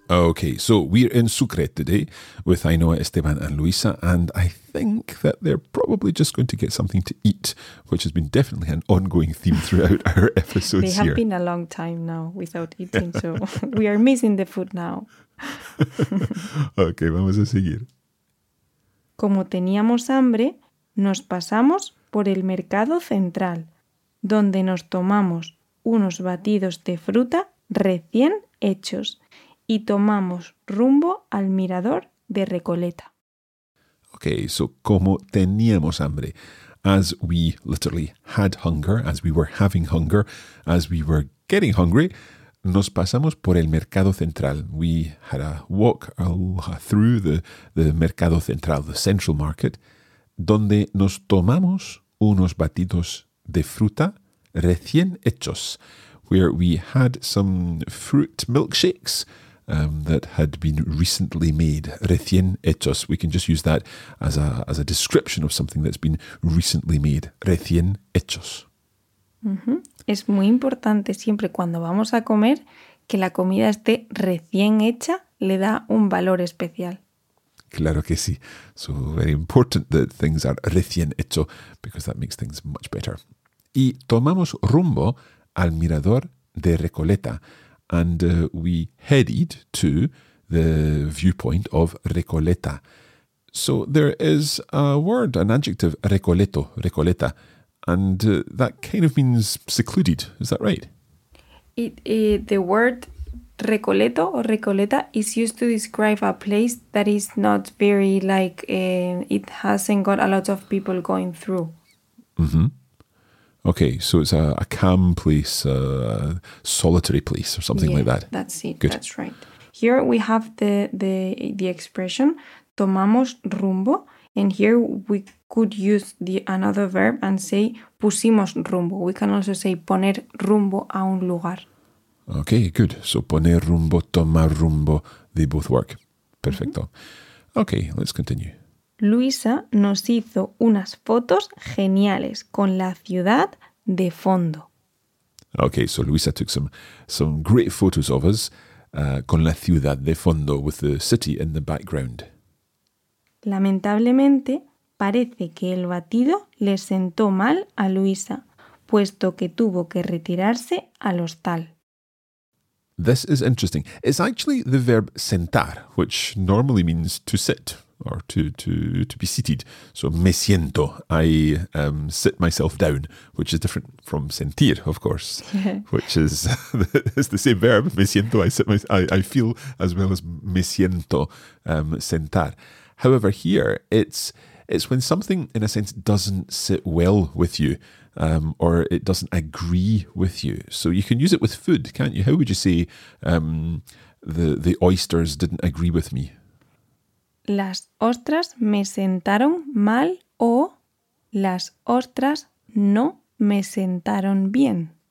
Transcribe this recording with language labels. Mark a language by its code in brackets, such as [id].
[en] Okay, so we're in Sucre today with Ainhoa, Esteban and Luisa, and I think that they're probably just going to get something to eat, which has been definitely an ongoing theme throughout our episodes here. They have here. Been a long time now without eating, so we are missing the food now. [es] Okay, vamos a seguir. Como teníamos hambre, nos pasamos por el mercado central, donde nos tomamos unos batidos de fruta recién hechos. Y tomamos rumbo al mirador de Recoleta. [en] Okay, so [es] como teníamos hambre, [en] as we literally had hunger, as we were having hunger, as we were getting hungry, [es] nos pasamos por el mercado central. [en] We had a walk through the mercado central, the central market, [es] donde nos tomamos unos batidos de fruta recién hechos, [en] where we had some fruit milkshakes, that had been recently made, recién hechos. We can just use that as a description of something that's been recently made, [es] recién hechos. Mm-hmm. Es muy importante siempre cuando vamos a comer que la comida esté recién hecha, le da un valor especial. Claro que sí. [en] So very important that things are recién hecho, because that makes things much better. [es] Y tomamos rumbo al mirador de Recoleta. [en] And we headed to the viewpoint of Recoleta. So there is a word, an adjective, recoleto, Recoleta, and that kind of means secluded. Is that right? The word Recoleto or Recoleta is used to describe a place that is not very, like, it hasn't got a lot of people going through. Mm-hmm. Okay, so it's a calm place, a solitary place or something like that. That's it. Good. That's right. Here we have the expression, [es] tomamos rumbo. [en] And here we could use another verb and say [es] pusimos rumbo. [en] We can also say [es] poner rumbo a un lugar. [en] Okay, good. So poner rumbo, tomar rumbo, they both work. Perfecto. Mm-hmm. Okay, let's continue. [es] Luisa nos hizo unas fotos geniales con la ciudad de fondo. [en] Okay, so Luisa took some great photos of us [es] con la ciudad de fondo, [en] with the city in the background. [es] Lamentablemente, parece que el batido le sentó mal a Luisa, puesto que tuvo que retirarse al hostal. [en] This is interesting. It's actually the verb sentar, which normally means to sit or to be seated. So me siento, I sit myself down, which is different from sentir, of course, which is it's the same verb. Me siento, I sit I feel, as well as me siento, sentar. However, here it's when something, in a sense, doesn't sit well with you, or it doesn't agree with you. So you can use it with food, can't you? How would you say the oysters didn't agree with me? [es] Las ostras me sentaron mal, o las ostras no me sentaron bien.